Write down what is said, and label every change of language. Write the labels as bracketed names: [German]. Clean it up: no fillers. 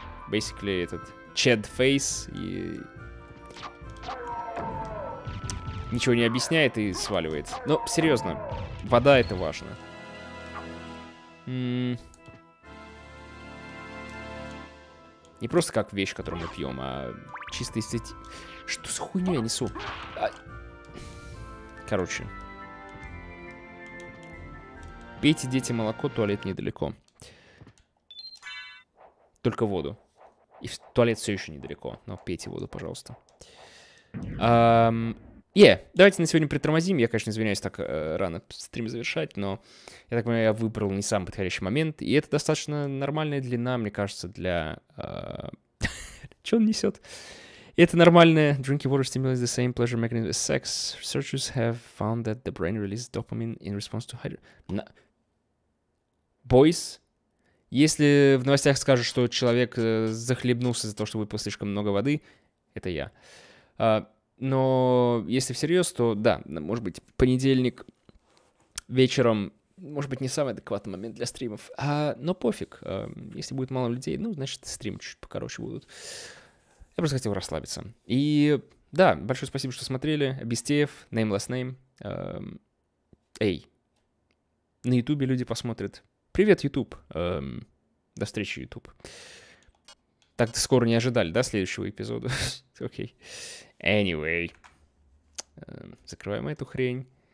[Russian] Basically, этот Chad Face и... ничего не объясняет и сваливает. Но, серьезно, вода — это важно. Не просто как вещь, которую мы пьем, а чисто эстети... Что за хуйню я несу? Короче. Пейте, дети, молоко, туалет недалеко. Только воду. И в туалет все еще недалеко. Но пейте воду, пожалуйста. Давайте на сегодня притормозим. Я, конечно, извиняюсь так рано стрим завершать, но я так понимаю, я выбрал не самый подходящий момент. И это достаточно нормальная длина, мне кажется, для... Что он несет? Это нормальное. [English] Drinking water stimulates the same pleasure mechanism as sex. Researchers have found that the brain releases dopamine in response to [Russian] Boys, если в новостях скажут, что человек захлебнулся за то, что выпил слишком много воды, это я. Но если всерьез, то да, может быть, понедельник вечером, может быть, не самый адекватный момент для стримов. Но пофиг, если будет мало людей, ну, значит, стримы чуть покороче будут. Я просто хотел расслабиться. И да, большое спасибо, что смотрели. Абистеев, Nameless Name. Эй, на Ютубе люди посмотрят. Привет, Ютуб. До встречи, Ютуб. Так скоро не ожидали, да, следующего эпизода? Окей. Anyway. Закрываем эту хрень.